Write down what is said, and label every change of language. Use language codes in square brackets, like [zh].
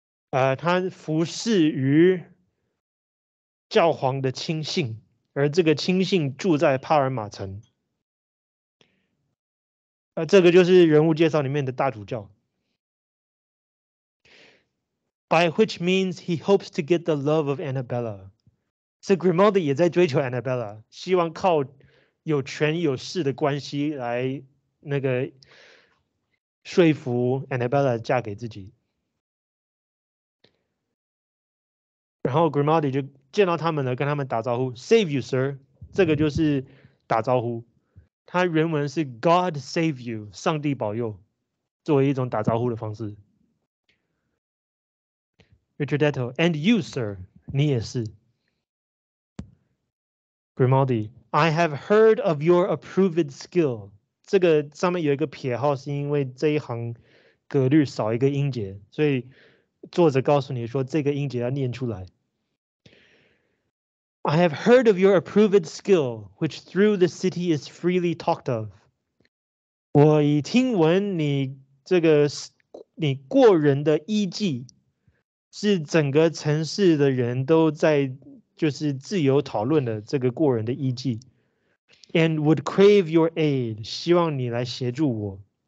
[zh] 他服侍于教皇的亲信，而这个亲信住在帕尔马城。这个就是人物介绍里面的大主教。 [en] By which means he hopes to get the love of Annabella。 [zh] 所以 Grimaldi 也在追求 Annabella， 希望靠有权有势的关系来那个说服 Annabella 嫁给自己。然后 Grimaldi 就见到他们了，跟他们打招呼 ， [en] Save you, sir， [zh] 这个就是打招呼。他原文是 [en] God save you， [zh] 上帝保佑，作为一种打招呼的方式。 [en] Richard Detto and you, sir， [zh] 你也是。 [en] Grimaldi， I have heard of your approved skill。 [zh] 这个上面有一个撇号，是因为这一行格律少一个音节，所以作者告诉你说这个音节要念出来。 [en] I have heard of your approved skill, which through the city is freely talked of. [zh] 我已听闻你这个你过人的医技，是整个城市的人都在就是自由讨论的这个过人的医技。 [en] And would crave your aid, [zh] 希望你来协助我。